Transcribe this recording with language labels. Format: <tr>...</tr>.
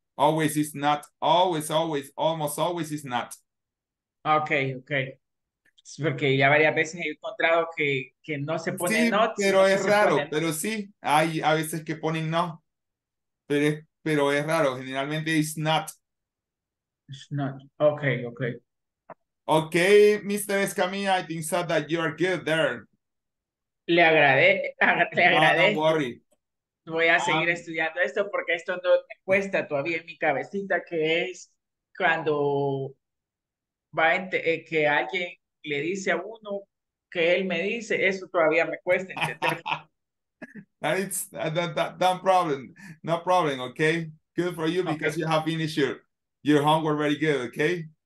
<en>Always is not, always, almost always is not. Okay.</en> <es>Es porque ya varias veces he encontrado que no se pone sí,</es> <en>not.</en> <es>Pero es raro, pero sí, hay a veces que ponen no. Pero es raro, generalmente</es> <en>is not. It's not, okay. Okay, Mr. Escamilla, I think so that you are good there.</en> <es>Le agradé.</es> <en>Don't worry.</en> <es>Voy a seguir estudiando esto porque esto no me cuesta todavía en mi cabecita, que es cuando va que alguien le dice a uno que él me dice, eso todavía me cuesta entender.</es> <en>No problem. No problem, okay? Good for you because okay. You have finished your homework very good, okay?</en>